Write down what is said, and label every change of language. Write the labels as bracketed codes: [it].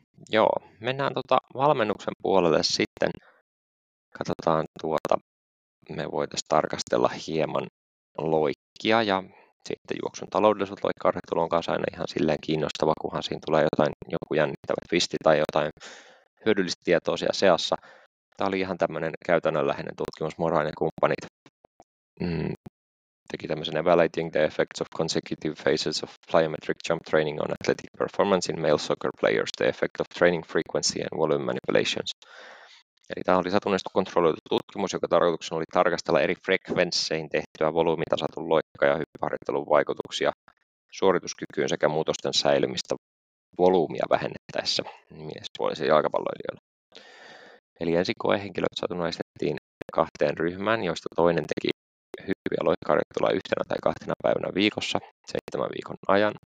[fi] Joo, mennään valmennuksen puolelle sitten. Katsotaan me voitaisiin tarkastella hieman loikkia ja sitten juoksun taloudellisuus loikka-arhoittelu on kanssa aina ihan silleen kiinnostava, kunhan siinä tulee jotain, joku jännittävä twisti tai jotain hyödyllistä tietoa siellä seassa. Tämä oli ihan tämmöinen käytännönläheinen tutkimus. Morainen kumppanit teki tämmöisen [en] Evaluating the effects of consecutive phases of plyometric jump training on athletic performance in male soccer players, the effect of training frequency and volume manipulations. [fi] Eli tämä oli satunnaisesti kontrolloitu tutkimus, joka tarkoituksena oli tarkastella eri frekvenssein tehtyä volyymitasatun loikka- ja hyppyharjoittelun vaikutuksia suorituskykyyn sekä muutosten säilymistä volyymia vähennettäessä miespuolisen jalkapalloilijoille. Eli ensin koehenkilöt satunnaistettiin kahteen ryhmään, joista toinen teki hyppyä loikka-harjoittelua yhtenä tai kahtena päivänä viikossa 7 viikon ajan.